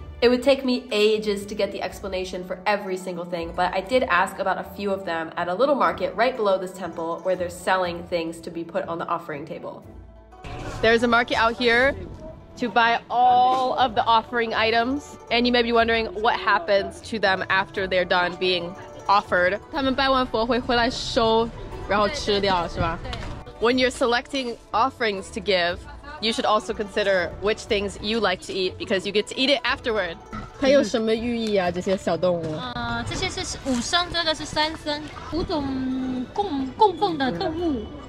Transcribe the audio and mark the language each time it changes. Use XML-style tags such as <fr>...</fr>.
<en>It would take me ages to get the explanation for every single thing, but I did ask about a few of them at a little market right below this temple where they're selling things to be put on the offering table. There's a market out here to buy all of the offering items, and you may be wondering what happens to them after they're done being offered.</en> <zh>他们拜完佛会回来收，然后吃掉，是吧？</zh> <en>When you're selecting offerings to give, you should also consider which things you like to eat because you get to eat it afterward.</en> <zh>它有什么寓意啊？这些小动物？这些是五牲，这个是三牲，五种供奉的动物。</zh>